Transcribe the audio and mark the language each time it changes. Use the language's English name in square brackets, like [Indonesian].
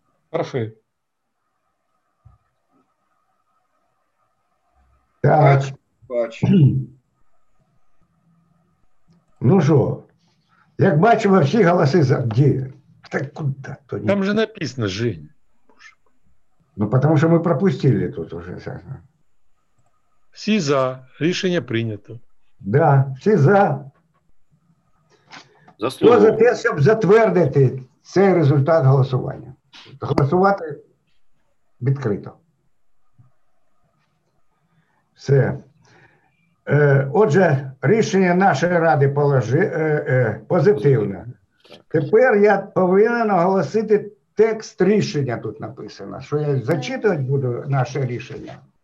[Russian] Хорошо. Так. [Ukrainian] Бачу. Ну що? Як бачимо, всі голоси завжди. Так куди? Там же написано «Жень». [Russian] Ну, потому что мы пропустили тут уже. Все за. Решение принято. Да, все за. Заслуга. Кто за то, чтобы затвердить [Ukrainian] Це результат голосування. Голосувати відкрито. Все. Отже, рішення нашої ради позитивне. Тепер я повинен оголосити текст рішення, тут написано, що я зачитувати буду наше рішення.